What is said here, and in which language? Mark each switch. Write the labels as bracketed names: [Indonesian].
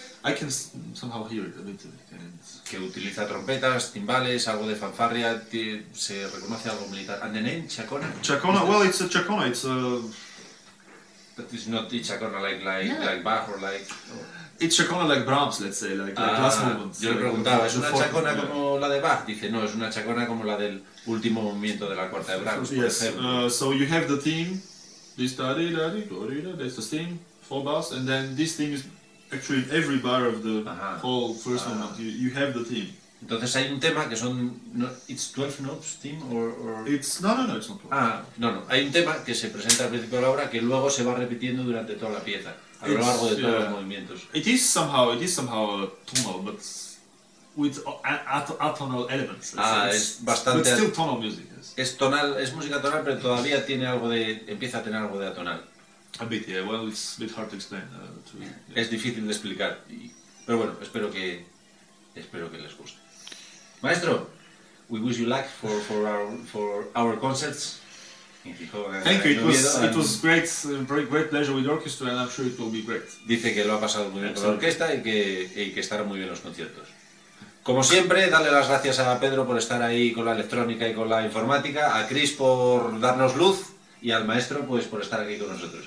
[English] I can somehow hear it a bit. [Spanish] Que utiliza trompetas, timbales, algo de fanfarria, se reconoce algo militar. [English] And the name, Chacona? Chacona, well, it's a Chacona, it's a... But it's not the Chacona like Bach or like... Oh. It's Chacona like Brahms, let's say, like last movement. [Spanish] Yo le preguntaba, ¿es una Chacona como la de Bach? Dice, no, es una Chacona como la del último movimiento de la cuarta de Brahms, por [English] yes. So you have the theme, this that's the theme, four bars, and then this theme is... Actually, every bar of the whole first movement, you have the theme. [Spanish] Entonces hay un tema que son, no, [English] it's 12 notes theme or it's no, it's not 12. [Spanish] Hay un tema que se presenta al principio de la obra que luego se va repitiendo durante toda la pieza a lo largo de todos los movimientos. [English] It is somehow a tonal, but with atonal elements. [Spanish] Es bastante. [English] But still tonal music. [Spanish] Yes. Es música tonal, pero todavía tiene algo de, empieza a tener algo de atonal. [English] A bit, yeah. Well, it's a bit hard to explain. [Spanish] Es difícil de explicar. Pero bueno, espero que les guste. [English] Maestro, we wish you luck for our concerts. Thank you. It was great, very great pleasure with the orchestra, and I'm sure it will be great. [Spanish] Dice que lo ha pasado muy bien con la orquesta y que estará muy bien los conciertos. Como siempre, darle las gracias a Pedro por estar ahí con la electrónica y con la informática, a Chris por darnos luz. Y al maestro, pues, por estar aquí con nosotros.